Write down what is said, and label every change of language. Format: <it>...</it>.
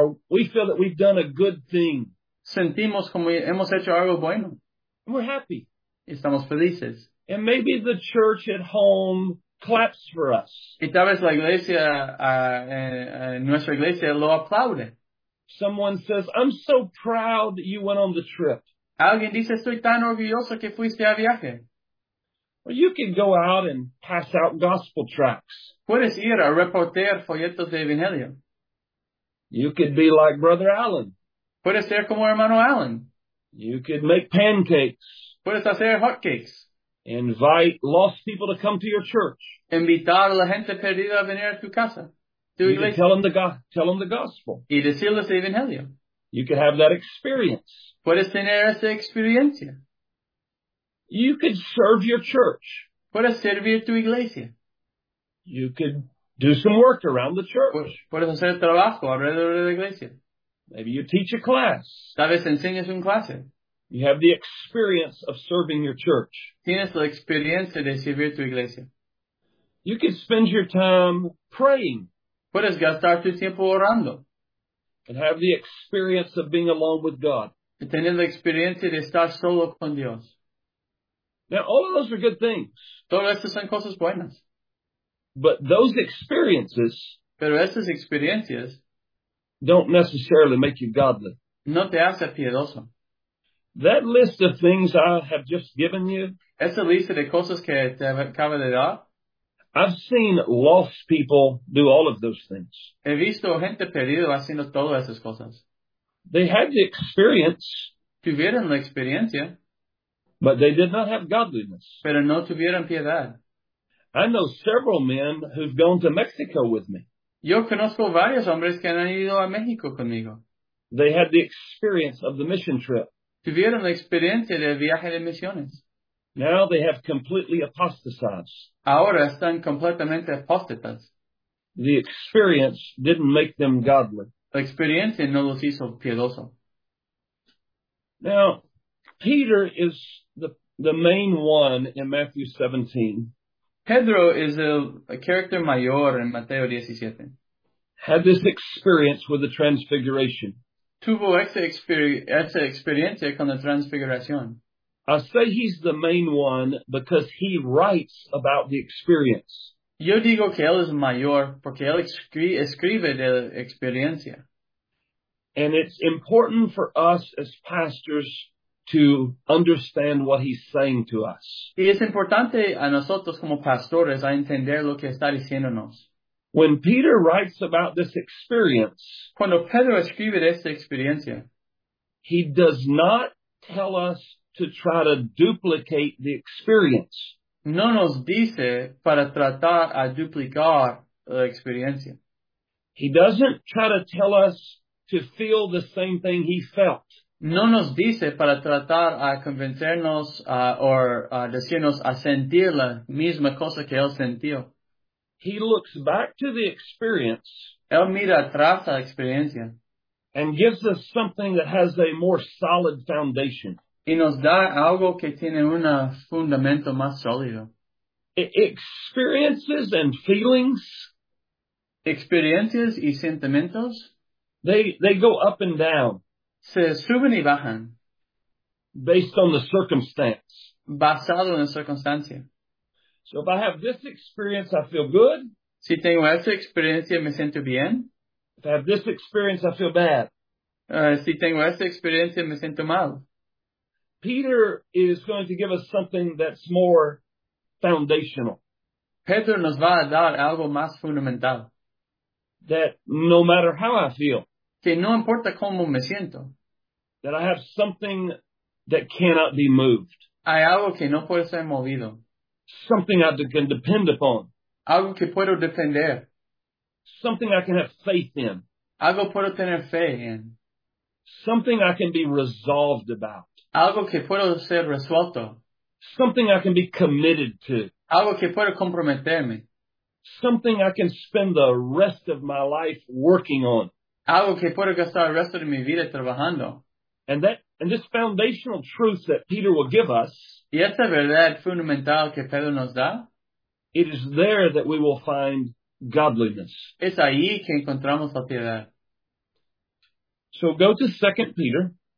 <en>We feel that we've done a good thing.</en> <es>Sentimos como hemos hecho algo bueno.</es> <en>We're happy.</en> <es>Estamos felices.</es> <en>And maybe the church at home claps for us.</en> <es>Y tal vez la iglesia, nuestra iglesia lo aplaude.</es> <en>Someone says, I'm so proud that you went on the trip.</en> <es>Alguien dice, estoy tan orgulloso que fuiste a viaje.</es> <en>Or you could go out and pass out gospel tracts.</en> <es>Puedes ir a reportear folletos de evangelio.</es> <en>You could be like Brother Allen.</en> <es>Puedes ser como hermano Allen.</es> <en>You could make pancakes.</en> <es>Puedes hacer hotcakes.</es> <en>Invite lost people to come to your church.</en> <es>Invitar a la gente perdida a venir a tu casa. Tu iglesia.</es> <en>You can tell them the gospel.</en> <es>Y decirles el evangelio.</es> <en>You could have that experience.</en> <es>Puedes tener esa experiencia.</es> <en>You could serve your church.</en> <es>Puedes servir tu iglesia.</es> <en>You could do some work around the church.</en> <es>Puedes hacer trabajo alrededor de la iglesia.</es> <en>Maybe you teach a class.</en> <es>Tal vez enseñes un clase.</es> <en>You have the experience of serving your church.</en> <es>Tienes la experiencia de servir tu iglesia.</es> <en>You could spend your time praying.</en> <es>Puedes gastar tu tiempo orando.</es> <en>and have the experience of being alone with God.</en> <es>Y tener la experiencia de estar solo con Dios.</es> <en>Now, all of those are good things.</en> <es>Todas estas son cosas buenas.</es> <en>But those experiences,</en> <es>pero esas experiencias,</es> <en>don't necessarily make you godly.</en> <es>No te hace piedoso.</es> <en>That list of things I have just given you,</en> <es>esa lista de cosas que te acabo de dar,</es> <en>I've seen lost people do all of those things.</en> <es>He visto gente perdida haciendo todas esas cosas.</es> <en>They had the experience.</en> <es>Tuvieron la experiencia.</es> <en>But they did not have godliness.</en> <es>Pero no tuvieron piedad.</es> <en>I know several men who've gone to Mexico with me.</en> <es>Yo conozco varios hombres que han ido a México conmigo.</es> <en>They had the experience of the mission trip.</en> <es>Tuvieron la experiencia del viaje de misiones.</es> <en>Now they have completely apostatized.</en> <es>Ahora están completamente apóstatas.</es> <en>The experience didn't make them godly.</en> <es>La experiencia no los hizo piedoso.</es> <en>Now, Peter is the main one in Matthew 17.</en> <es>Pedro</es> <en>is a character</en> <es>mayor in Mateo 17.</es> <en>Had this experience with the transfiguration.</en> <es>Tuvo esa experiencia con la transfiguración.</es> <en>I say he's the main one because he writes about the experience.</en> <es>Yo digo que él es mayor porque él escribe de la experiencia.</es> <en>And it's important for us as pastors to understand what he's saying to us.</en> <es>Y es importante a nosotros como pastores a entender lo que está diciéndonos.</es> <en>When Peter writes about this experience,</en> <es>cuando Pedro escribe de esta experiencia,</es> <en>he does not tell us to try to duplicate the experience.</en> <es>No nos dice para tratar a duplicar la experiencia.</es> <en>He doesn't try to tell us to feel the same thing he felt.</en> <es>No nos dice para tratar a convencernos decirnos a sentir la misma cosa que él sentió.</es> <en>He looks back to the experience.</en> <es>Él mira atrás a la experiencia.</es> <en>And gives us something that has a more solid foundation.</en> <es>Y nos da algo que tiene un fundamento más sólido.</es> <en>Experiences and feelings.</en> <es>Experiencias y sentimientos.</es> <en>They go up and down.</en> <es>Se suben y bajan.</es> <en>Based on the circumstance.</en> <es>Basado en la circunstancia.</es> <en>So if I have this experience, I feel good.</en> <es>Si tengo esa experiencia, me siento bien.</es> <en>If I have this experience, I feel bad.</en> <es>Si tengo esa experiencia, me siento mal.</es> <en>Peter is going to give us something that's more foundational.</en> <es>Pedro nos va a dar algo más fundamental.</es> <en>That no matter how I feel.</en> <es>Que no importa cómo me siento.</es> <en>That I have something that cannot be moved.</en> <es>Hay algo que no puede ser movido.</es> <en>Something I can depend upon.</en> <es>Algo que puedo depender.</es> <en>Something I can have faith in.</en> <es>Algo puedo tener fe en.</es> <en>Something I can be resolved about.</en> <es>Algo que puedo ser resuelto.</es> <en>Something I can be committed to.</en> <es>Algo que puedo comprometerme.</es> <en>Something I can spend the rest of my life working on.</en> <es>Algo que puedo gastar el resto de mi vida trabajando.</es> <en>And this foundational truth that Peter will give us.</en> <es>Y esta verdad fundamental que Pedro nos da.</es> <en>It is there that we will find godliness.</en> <es>Es ahí que encontramos la piedad.</es> <en>So go to 2 Peter.</en>